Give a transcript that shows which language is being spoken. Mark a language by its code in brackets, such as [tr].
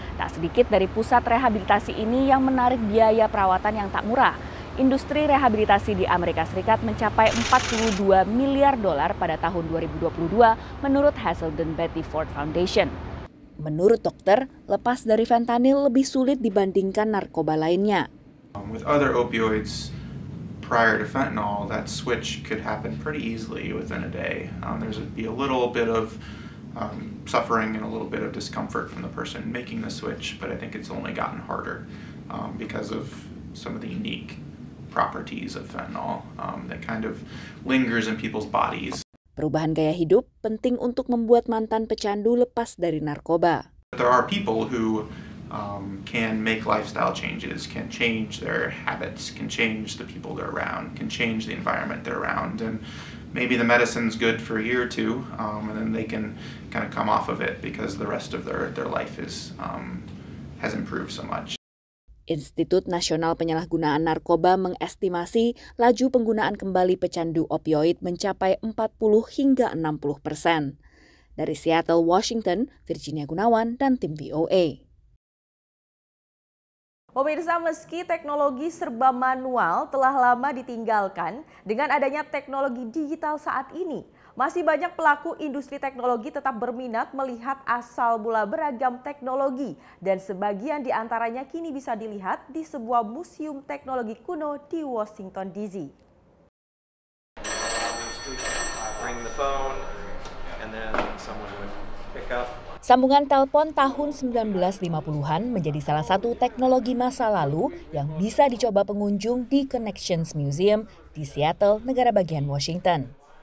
[id] Tak sedikit dari pusat rehabilitasi ini yang menarik biaya perawatan yang tak murah. Industri rehabilitasi di Amerika Serikat mencapai $42 miliar pada tahun 2022 menurut Hazelden Betty Ford Foundation. Menurut dokter, lepas dari fentanyl lebih sulit dibandingkan narkoba lainnya. [en] With other opioids prior to fentanyl, that switch could happen pretty easily within a day. There's be a little bit of suffering and a little bit of discomfort from the person making the switch, but I think it's only gotten harder because of some of the unique properties of fentanyl that kind of lingers in people's bodies. [id] Perubahan gaya hidup penting untuk membuat mantan pecandu lepas dari narkoba. [en] There are people who can make lifestyle changes, can change their habits, can change the people they're around, can change the environment they're around, and maybe the medicine's good for a year or two, and then they can kind of come off of it because the rest of their life has improved so much. [id] Institut Nasional Penyalahgunaan Narkoba mengestimasi laju penggunaan kembali pecandu opioid mencapai 40-60%. Dari Seattle, Washington, Virginia Gunawan dan tim VOA. Pemirsa, meski teknologi serba manual telah lama ditinggalkan, dengan adanya teknologi digital saat ini, masih banyak pelaku industri teknologi tetap berminat melihat asal mula beragam teknologi, dan sebagian di antaranya kini bisa dilihat di sebuah museum teknologi kuno di Washington DC. [en] Ring the phone, and then someone would pick up. [id] Sambungan telepon tahun 1950-an menjadi salah satu teknologi masa lalu yang bisa dicoba pengunjung di Connections Museum di Seattle, negara bagian Washington.